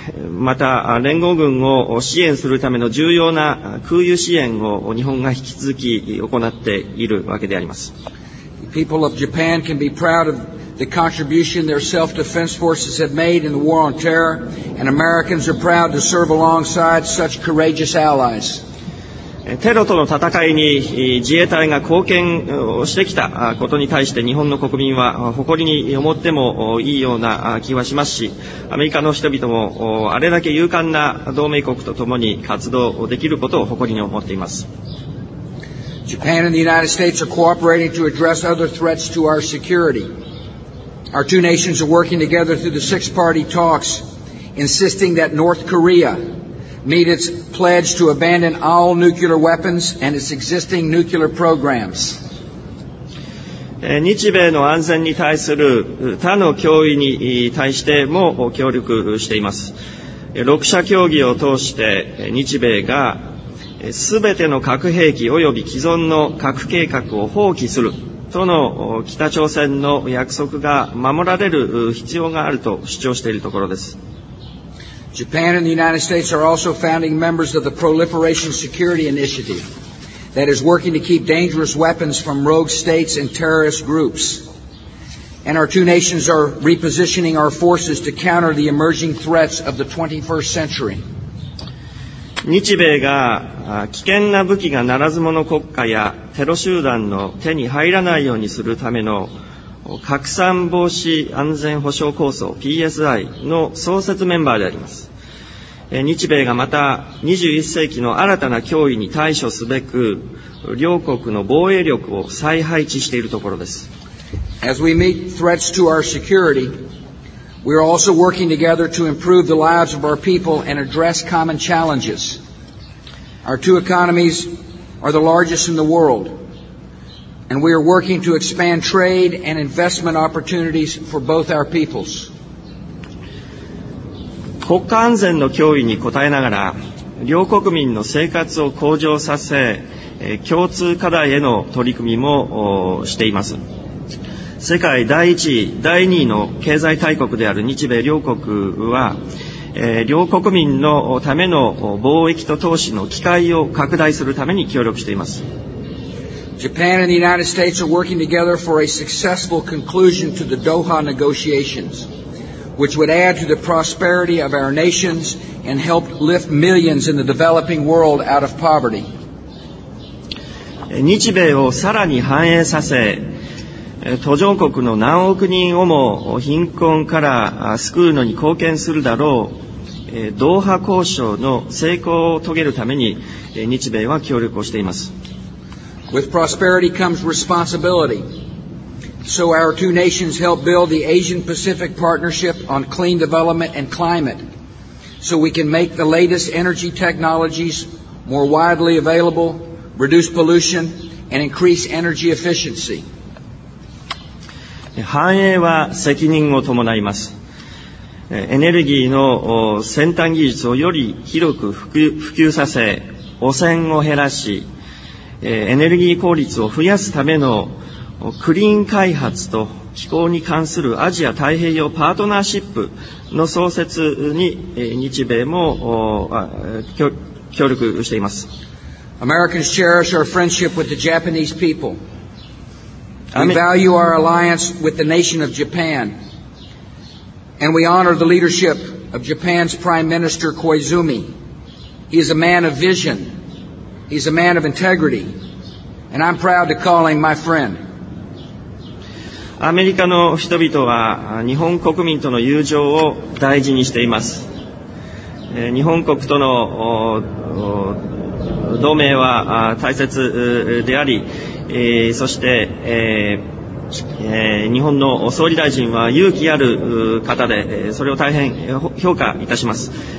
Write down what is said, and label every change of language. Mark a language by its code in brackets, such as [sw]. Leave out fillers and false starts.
[ja] また連合軍を支援するための重要な空輸支援を日本が引き続き行っているわけであります。 [en] People of Japan can be proud of the contribution their self-defense forces have made in the war on terror, and Americans are proud to serve alongside such courageous allies. [ja] テロとの戦いに自衛隊が貢献をしてきたことに対して日本の国民は誇りに思ってもいいような気はしますし、アメリカの人々もあれだけ勇敢な同盟国とともに活動できることを誇りに思っています。 [en] Japan and the United States are cooperating to address other threats to our security. Our two nations are working together through the six-party talks, insisting that North Korea meet its pledge to abandon all nuclear weapons and its existing nuclear programs. [ja] 日米の安全に対する他の脅威に対しても協力しています。 6者協議を通して日米が全ての核兵器及び既存の核計画を放棄するとの北朝鮮の約束が守られる必要があると主張しているところです。 [en] Japan and the United States are also founding members of the Proliferation Security Initiative that is working to keep dangerous weapons from rogue states and terrorist groups. And our two nations are repositioning our forces to counter the emerging threats of the 21st century. [ja] 日米が危険な武器がならず者国家やテロ集団の手に入らないようにするための拡散防止安全保障構想 PSI の創設メンバーであります。日米がまた21世紀の新たな脅威に対処すべく両国の防衛力を再配置しているところです。 [en] As we meet threats to our security, we are also working together to improve the lives of our people and address common challenges. Our two economies are the largest in the world. And we are working to expand trade and investment opportunities for both our peoples. [ja] 国家安全の脅威に応えながら、両国民の生活を向上させ、共通課題への取り組みもしています。世界第一、第二の経済大国である日米両国は、両国民のための貿易と投資の機会を拡大するために協力しています。 [en] Japan and the United States are working together for a successful conclusion to the Doha negotiations, which would add to the prosperity of our nations and help lift millions in the developing world out of poverty. [ja] 日米をさらに繁栄させ、途上国の何億人をも貧困から救うのに貢献するだろう、ドーハ交渉の成功を遂げるために日米は協力をしています。 [en] With prosperity comes responsibility. So our two nations help build the Asian-Pacific Partnership on clean development and climate, so we can make the latest energy technologies more widely available, reduce pollution, and increase energy efficiency. [ja] 繁栄は責任を伴います。エネルギーの先端技術をより広く普及させ、汚染を減らし、エネルギー効率を増やすためのクリーン開発と気候に関するアジア太平洋パートナーシップの創設に日米も協力しています。 [en] Americans cherish our friendship with the Japanese people. We value our alliance with the nation of Japan. And we honor the leadership of Japan's Prime Minister Koizumi. He is a man of vision. He's a man of integrity. And I'm proud to call him my friend. [ja] アメリカの人々は日本国民との友情を大事にしています。日本国との同盟は大切であり、そして日本の総理大臣は勇気ある方で、それを大変評価いたします。